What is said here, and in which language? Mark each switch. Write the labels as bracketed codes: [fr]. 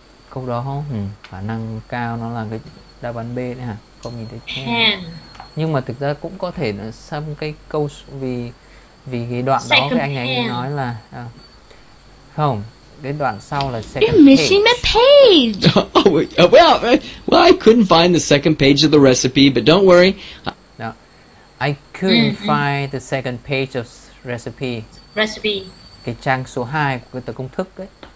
[vi] Câu đó, khả năng cao nó là cái đáp án B đấy hả? Không nhìn thấy chen. Nhưng mà thực ra cũng có thể là xem cái câu vì cái đoạn [en] second [vi] đó cái anh ấy nói là không, cái đoạn sau là second [en] page. You're missing page. The page. Well, I couldn't find the second page of the recipe, but don't worry. No, I couldn't find the second page of recipe. Recipe. [vi] Cái trang số 2 của cái tờ công thức ấy.